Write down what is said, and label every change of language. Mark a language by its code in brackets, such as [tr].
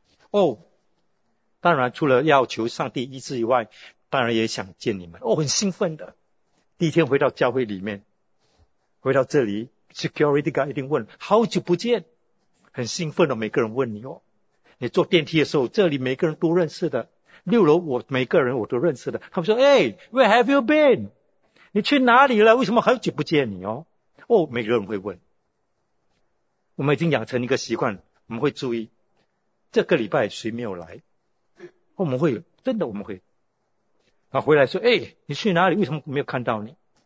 [zh] 哦，当然除了要求上帝医治以外，当然也想见你们。哦，很兴奋的，第一天回到教会里面，回到这里 ，security guard 一定问：好久不见，很兴奋的，每个人问你哦。你坐电梯的时候，这里每个人都认识的，六楼我每个人我都认识的。他们说：哎 [en] ，where have you been？ [zh] 你去哪里了？为什么好久不见你哦？哦，每个人会问。我们已经养成一个习惯，我们会注意这个礼拜谁没有来，我们会真的我们会，然后回来说：哎，你去哪里？为什么没有看到你？